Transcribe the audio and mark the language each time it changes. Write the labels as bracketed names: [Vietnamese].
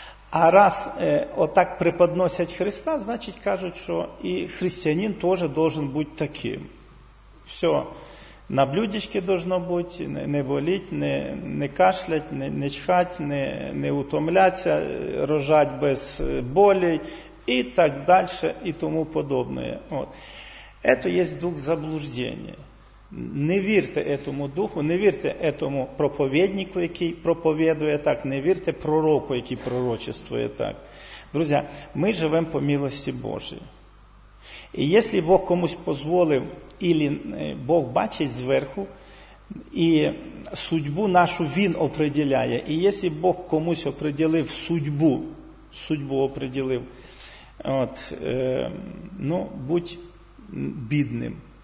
[Ukrainian] А раз отак преподносять Христа, значить кажуть, що і християнин теж должен бути таким. Все, на блюдечки должно бути, не боліть, не кашлять, не чхать, не утомляться, рожать без болі і так далі, і тому подобне. [Russian] Это есть дух заблуждения. [Ukrainian] Не вірте этому духу, не вірте этому проповіднику, який проповідує так, не вірте пророку, який пророчествує так. Друзі, ми живемо по милості Божій. І якщо Бог комусь дозволив, або Бог бачить зверху, і судьбу нашу Він определяє, і якщо Бог комусь определив судьбу определив, от, ну, будь бідним.